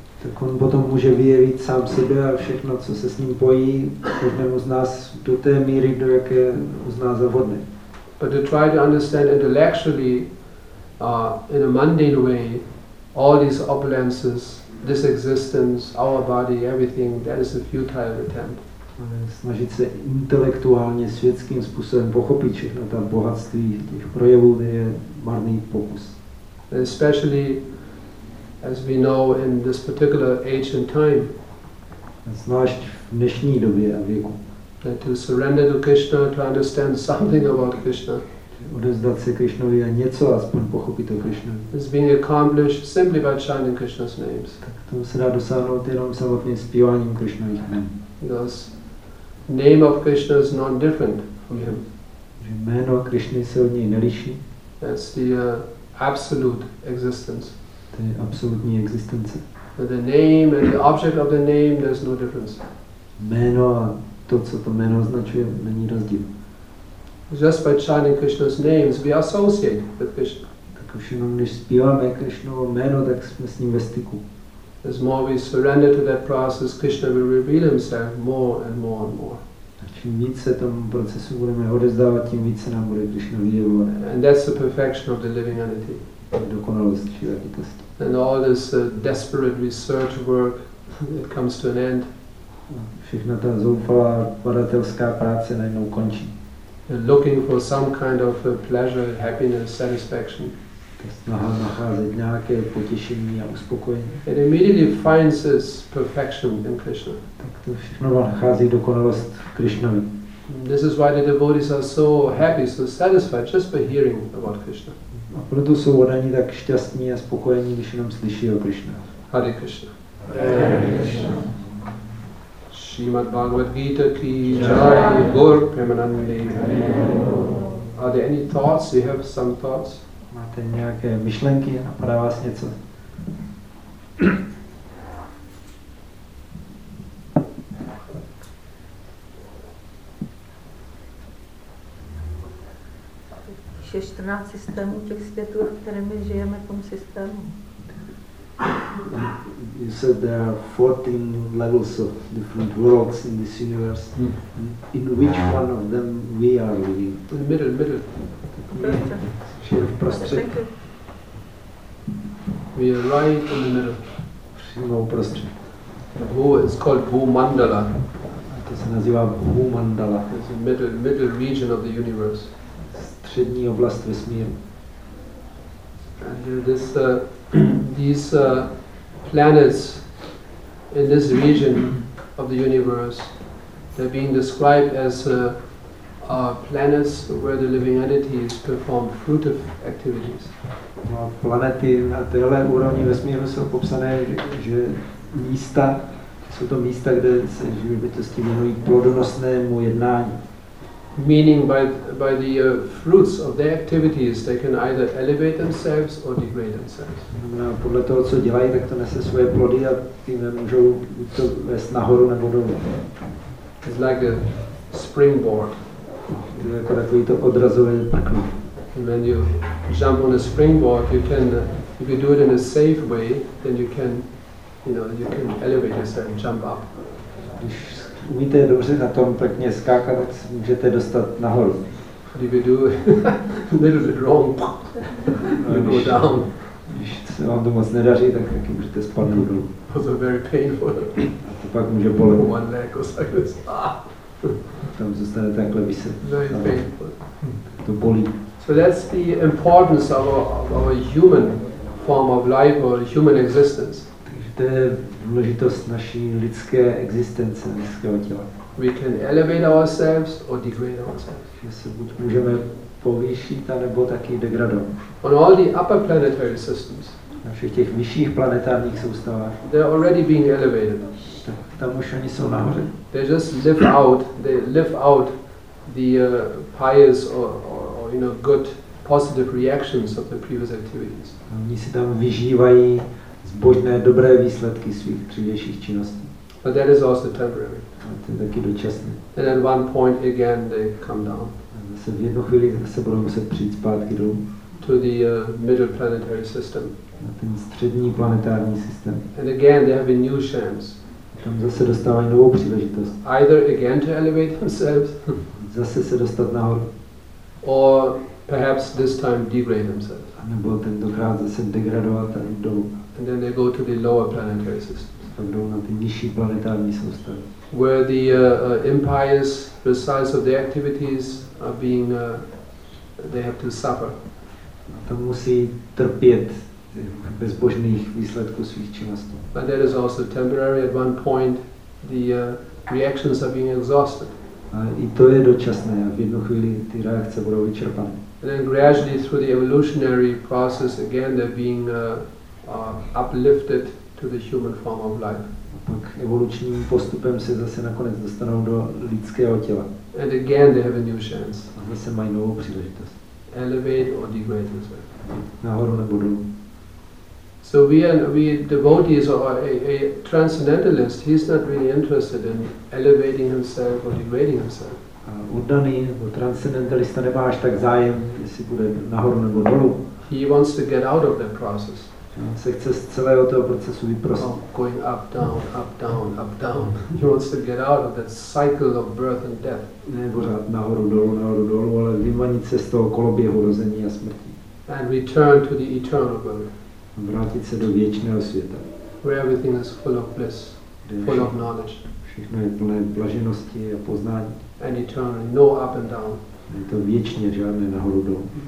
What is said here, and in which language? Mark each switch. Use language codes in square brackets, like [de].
[cs] Tak on potom může vyjevit sám sebe a všechno, co se s ním pojí, každému z nás do té míry, do jaké uzná za vhodné. [en] But to try to understand intellectually, in a mundane way, all these opulences, this existence, our body, everything, that is a futile attempt. [cs] Snažit se intelektuálně, světským způsobem pochopit všechno ta bohatství těch projevů je marný pokus. [en] Especially as we know in this particular age and time. [cs] Zvlášť v dnešní době a věku. [en] That to surrender to Krishna, to understand something about Krishna. [cs] Odevzdat se Krishnovi a něco aspoň pochopit o Krishna. [en] Is being accomplished simply by chanting Krishna's names. [cs] Tak to se dá dosáhnout jenom samotným zpíváním Krishnových jmen. [en] Because name of Krishna is not different from him. [cs] Že jméno Krishny se od něj neliší. [en] That's the absolute existence. [cs] To je absolutní existence. [en] But the name and the object of the name, there's no difference. [cs] Jméno a to, co to jméno označuje, není rozdíl. [en] Just by chanting Krishna's names, we associate with Krishna. [cs] Tak už jenom, když zpíváme Krishnovo jméno, tak jsme s ním ve styku. [en] As more we surrender to that process, Krishna will reveal himself more and more and more. [cs] A čím víc se tomu procesu budeme odezdávat, tím víc se nám bude Krishna vyjevovat. [en] And that's the perfection of the living entity. [cs] Dokonalost živé bytosti. [en] And all this desperate research work, it comes to an end. [cs] Všechna ta zoufalá badatelská práce najednou končí. [en] And looking for some kind of pleasure, happiness, satisfaction. [cs] Snaha nacházet nějaké potěšení a uspokojení. [en] It immediately finds its perfection in Krishna. [cs] Tak to všechno nachází dokonalost v Krishnovi. [en] This is why the devotees are so happy, so satisfied just by hearing about Krishna. [cs] A proto jsou oni tak šťastní a spokojení, když jenom slyší o Krishna. [sa] Hare Krishna. Srimad Bhagavad Gita ki jai, [en] Gaur Premanande. Are there any thoughts? You have some thoughts? [cs] Máte nějaké myšlenky? Napadá vás něco? je 14 systémů těch světů, v kterém my žijeme v tom systému. [en] You said there are 14 levels of different worlds in this universe. Mm. In which one of them we are living? In the middle, middle. Yeah. Yeah. [cs] Prostřed. [en] We are right in the middle. [cs] Přímo prostřed. [en] It's called Bhumandala. [cs] To se nazývá Bhumandala. [en] It's the middle region of the universe. [cs] Střední oblast vesmíru. [en] And this these planets in this region of the universe, they're being described as planets where the living entities perform fruitive activities. [cs] No, planety na téhle úrovni vesmíru jsou popsané, že místa, jsou to místa, kde se živí bytosti věnují plodonosnému jednání. [en] Meaning by the fruits of their activities, they can either elevate themselves or degrade themselves. [cs] Podle toho, co dělají, tak to nese svoje plody a tím nemůžou to vést nahoru nebo dolů. [en] It's like a springboard. [cs] To je jako takový to odrazové prkno. [en] When you jump on a springboard, you can, if you do it in a safe way, then you can, you know, you can elevate yourself and jump up. [cs] Umíte dobře na tom pěkně skákat, tak se můžete dostat nahoru. [en] What if you do a little bit wrong, you go down. [cs] Když se vám to moc nedaří, tak taky můžete spadnout dolů. [en] It was very painful. [cs] A to pak může bolet. [en] One leg or something like this. [cs] Tam zůstane takhle viset. [en] Very painful. [cs] To bolí. [en] So that's the importance of our human form of life or human existence. [cs] To je důležitost naší lidské existence, lidského těla. [en] We can elevate ourselves or degrade ourselves. [cs] Že se buď můžeme povýšit, anebo taky degradovat. [en] On all the upper planetary systems. [cs] Na všech těch vyšších planetárních soustavách. [en] They're already being elevated. [cs] Tam už oni jsou nahoře. [en] They just live out. They live out the pious or you know good positive reactions of the previous activities. [cs] Oni si tam vyžívají zbožné, dobré výsledky svých dřívějších činností. [en] But that is also temporary. [cs] A to je taky dočasné. [en] And at one point again they come down. [cs] A se v jednu chvíli se budou muset přijít zpátky dolů. [en] To the middle planetary system. [cs] Na ten střední planetární systém. [en] And again they have a new chance. [cs] A tam zase dostávají novou příležitost. [en] Either again to elevate themselves. [cs] Zase se dostat nahoru. [en] Or perhaps this time degrade themselves. [cs] A nebo tentokrát zase degradovat a jít dolů. [en] And then they go to the lower planetary systems. [cs] Tam jdou na ty nižší planetární soustavy. [en] Where the impious results of their activities are being, they have to suffer. [cs] A tam musí trpět bezbožných výsledků svých činností. [en] But that is also temporary. At one point, the reactions are being exhausted. [cs] A i to je dočasné. V jednu chvíli ty reakce budou vyčerpané. [en] And then gradually through the evolutionary process, again they're being uplifted to the human form of life. [cs] A pak evolučním postupem se zase nakonec dostanou do lidského těla. [en] And again they have a new chance. [cs] A zase mají novou příležitost. [en] Elevate or degrade themselves. [cs] Nahoru nebo dolů. [en] So we devotees or a transcendentalist, he's not really interested in elevating himself or degrading himself. [cs] A oddaný nebo transcendentalista nemá až tak zájem, jestli bude nahoru nebo dolů. [en] He wants to get out of that process. [cs] On se chce z celého toho procesu vyprostit. [en] Oh, going up, down, up, down, up, down. He wants to get out of that cycle of birth and death. [cs] Ne pořád nahoru, dolů, ale vymanit se z toho koloběhu rození a smrti. [en] And return to the eternal world. [cs] Vrátit se do věčného světa. [en] Where everything is full of bliss, full of knowledge. [cs] Všechno je plné blaženosti a poznání. [en] And eternally, no up and down. [cs] Je to věčně, žádné nahoru, dolů.